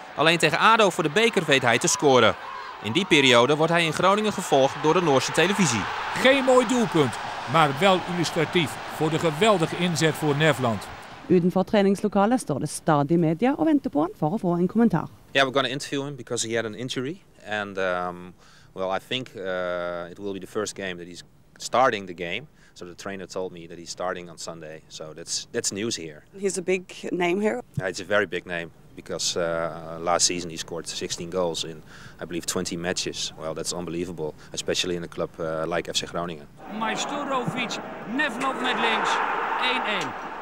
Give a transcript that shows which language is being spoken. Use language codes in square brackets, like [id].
[nl] Alleen tegen ADO voor de beker weet hij te scoren. In die periode wordt hij in Groningen gevolgd door de Noorse televisie. Geen mooi doelpunt, maar wel illustratief voor de geweldige inzet voor Nevland. [no] Utenfor trainingslokalet står det stadig media og venter på han for å få en kommentar. [en] Yeah, we're going to interview him because he had an injury and Well, I think it will be the first game that he's starting the game. So the trainer told me that he's starting on Sunday. So that's news here. He's a big name here. It's a very big name because last season he scored 16 goals in, I believe, 20 matches. Well, that's unbelievable, especially in a club like FC Groningen. [nl] Majstorovic, Nevlov met links, 1-1.